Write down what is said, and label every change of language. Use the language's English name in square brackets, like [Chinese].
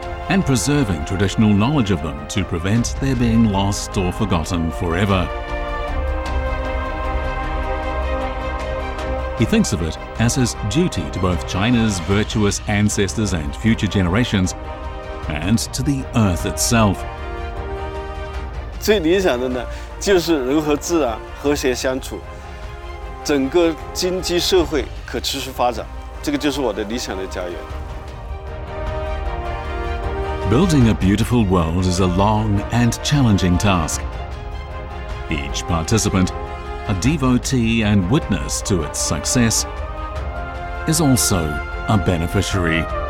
[English] And preserving traditional knowledge of them to prevent their being lost or forgotten forever. He thinks of it as his duty to both China's virtuous ancestors and future generations, and to the earth itself. [Chinese] 最理想的呢，就是人和自然和谐相处，整个经济社会可持续发展，这个就是我的理想的家园。 [English] Building a beautiful world is a long and challenging task. Each participant, a devotee and witness to its success, is also a beneficiary.